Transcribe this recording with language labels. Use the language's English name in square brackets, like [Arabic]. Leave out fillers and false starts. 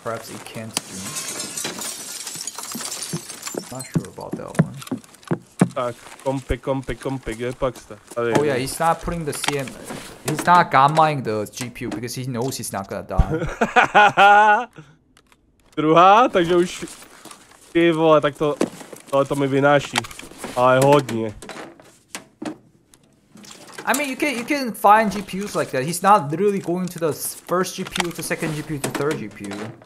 [English] Perhaps he can't do it. Not sure about that one. Oh yeah, he's not putting the CM. He's not gammaing the GPU because he knows he's not gonna die. [Czech] Druhá, takže už ty vole, tak to to mi vynáší, ale hodně. [English] I mean, you can find GPUs like that. He's not literally going to the first GPU, to second GPU, to third GPU.